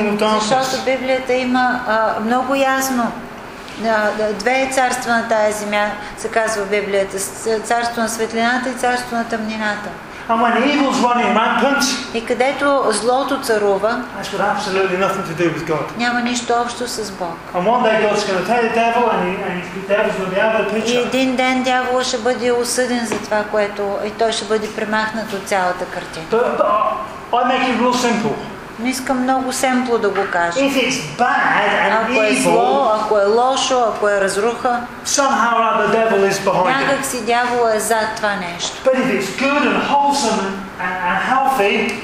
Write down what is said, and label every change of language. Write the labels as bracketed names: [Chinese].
[Bulgarian] Защото Библията има много ясно две царства на тая земя, се казва Библията. Царство на светлината и царство на тъмнината. [English] And when evil's running rampant, [Bulgarian] и където злото царува, [English] that's got absolutely nothing to do with God. [Bulgarian] Няма нищо общо с Бог. [English] And one day God's going to tell the devil, and the devil's going to be out of the picture. [Bulgarian] И един ден дявола ще бъде осъден за това, което и той ще бъде премахнат от цялата картина. [English] But I make it real simple. [Bulgarian] Не искам много семпло да го кажа. [English] If it's bad and [Bulgarian] ако е зло, ако е лошо, ако е разруха, [English] somehow or other devil is behind it. [Bulgarian] Някак си дявола е зад това нещо. [English] But if it's good and wholesome and healthy,